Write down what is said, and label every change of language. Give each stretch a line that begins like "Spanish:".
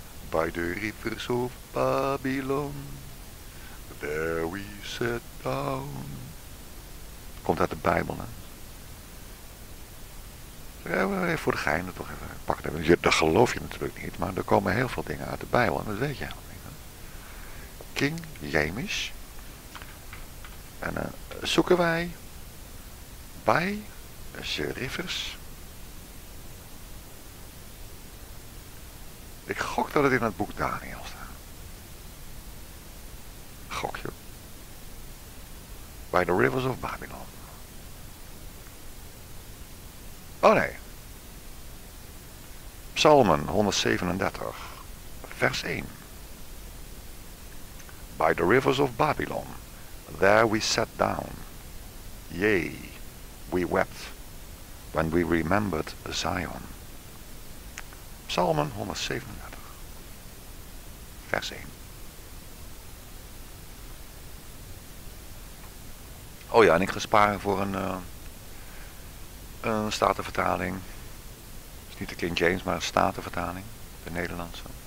English: By the rivers of Babylon, there we sat down.
Dutch: Komt uit de Bijbel, hè? Even voor de gein, toch even pakken. Ja, dat geloof je natuurlijk niet, maar er komen heel veel dingen uit de Bijbel, en dat weet je helemaal niet. Hè? King James. En zoeken wij bij
English: the rivers.
Dutch: Ik gok dat het in het boek Daniël staat. Gokje.
English: By the rivers of Babylon.
Dutch: Oh nee. Psalmen 137, vers 1.
English: By the rivers of Babylon, there we sat down. Yea, we wept when we remembered Zion.
Dutch: Psalmen 137, vers 1. Oh ja, en ik ga sparen voor een statenvertaling. Het is niet de King James, maar een statenvertaling. De Nederlandse.